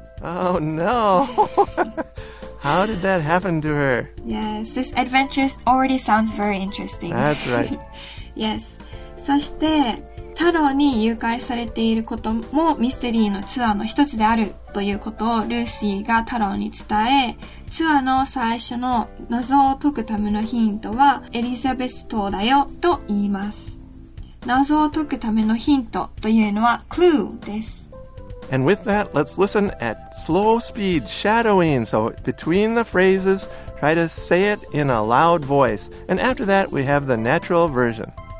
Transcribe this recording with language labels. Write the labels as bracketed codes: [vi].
[en] Oh no! How did that happen to her? Yes, this adventure already sounds very interesting. That's right. Yes. [ja] そして、タロに誘拐されていることもミステリーのツアーの一つであるということをルーシーがタロに伝え、ツアーの最初の謎を解くためのヒントはエリザベス島だよと言います。謎を解くためのヒントというのはクルーです。 [en] And with that, let's listen at slow speed shadowing. So between the phrases, try to say it in a loud voice. And after that, we have the natural version.